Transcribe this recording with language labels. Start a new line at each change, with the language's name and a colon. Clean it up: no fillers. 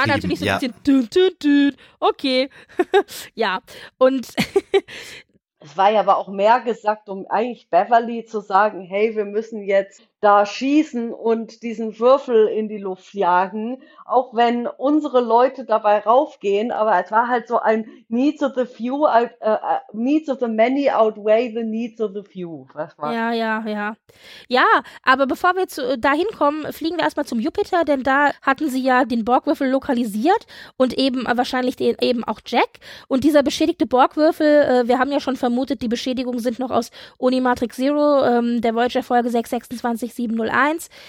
German: es war natürlich so ein bisschen dün, dün, dün. Okay, ja, und es war ja aber auch mehr gesagt, um eigentlich Beverly zu sagen, hey, wir müssen jetzt da schießen und diesen Würfel in die Luft jagen, auch wenn unsere Leute dabei raufgehen. Aber es war halt so ein
English: Needs of the few, Needs of the many outweigh the needs of the few.
German: Ja. Ja, aber bevor wir da hinkommen, fliegen wir erstmal zum Jupiter, denn da hatten sie ja den Borgwürfel lokalisiert und eben wahrscheinlich den eben auch Jack. Und dieser beschädigte Borgwürfel, wir haben ja schon vermutet, die Beschädigungen sind noch aus Unimatrix Zero, der Voyager-Folge 626. 701.